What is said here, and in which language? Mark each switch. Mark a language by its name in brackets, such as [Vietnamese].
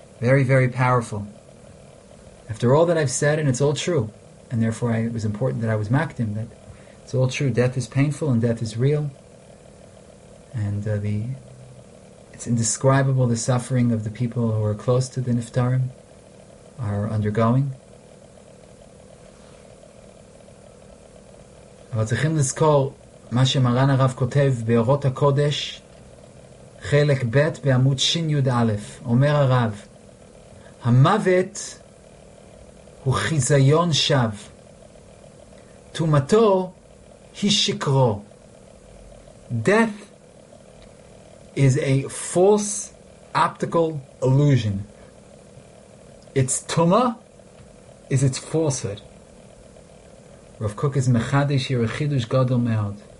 [English] Very, very powerful. After all that I've said, and it's all true, and therefore it was important that I was makdim, that it's all true, death is painful and death is real, and it's indescribable, the suffering of the people who are close to the niftarim are undergoing. [Hebrew] אבל צריכים לזכור מה שמרן הרב כותב באורות הקודש חלק ב' בעמוד שין יוד א', אומר הרב, המוות הוא חיזיון שו, תומתו היא שקרו. [English] Death is a false optical illusion. Its tuma is its falsehood. Rav Kook is mechadish here, a [Hebrew] chidush gadol me'od.